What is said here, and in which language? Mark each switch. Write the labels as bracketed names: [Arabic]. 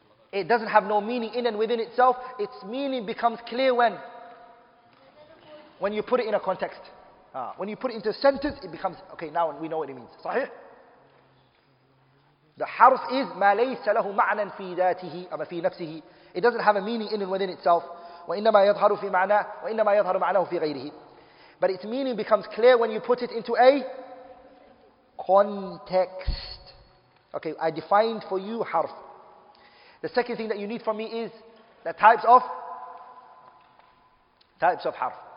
[English] It doesn't have no meaning in and within itself. Its meaning becomes clear when you put it in a context. When you put it into a sentence, it becomes, okay, now we know what it means. [Arabic] صحيح? [English] The harf is [Arabic] ما ليس له معنى في ذاته أما في نفسه. [English] It doesn't have a meaning in and within itself. [Arabic] وإنما يظهر في معنى وإنما يظهر معناه في غيره. [English] But its meaning becomes clear when you put it into a context. Okay, I defined for you harf. The second thing that you need from me is the types of harf.